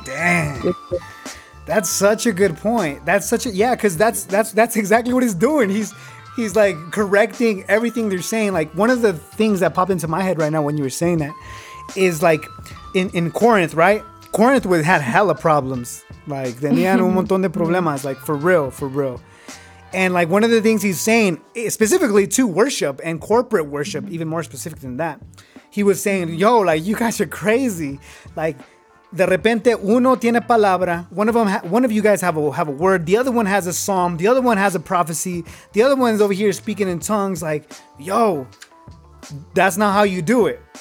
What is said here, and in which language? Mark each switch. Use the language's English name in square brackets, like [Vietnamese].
[English] Dang. That's such a good point. That's such a, yeah, because that's exactly what he's doing. He's like correcting everything they're saying. Like one of the things that popped into my head right now when you were saying that is like in Corinth, right? Corinth would had hella problems. Like [Spanish] tenían un montón de problemas, [English] like for real. And like one of the things he's saying specifically to worship and corporate worship, even more specific than that, he was saying, yo, like you guys are crazy. Like [Spanish] de repente uno tiene palabra, [English] one of you guys have a word, the other one has a psalm, the other one has a prophecy, the other one's over here speaking in tongues, like yo, that's not how you do it.